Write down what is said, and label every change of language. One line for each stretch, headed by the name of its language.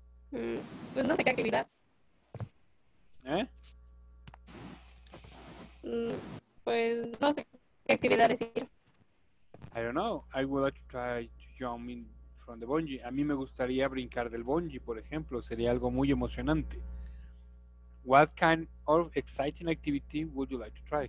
Spanish: Pues no sé qué actividad. ¿Eh? Pues no sé qué actividad decir.
English: I don't know. I would like to try to jump in from the bungee.
Spanish: A mí me gustaría brincar del bungee, por ejemplo. Sería algo muy emocionante.
English: What kind of exciting activity would you like to try?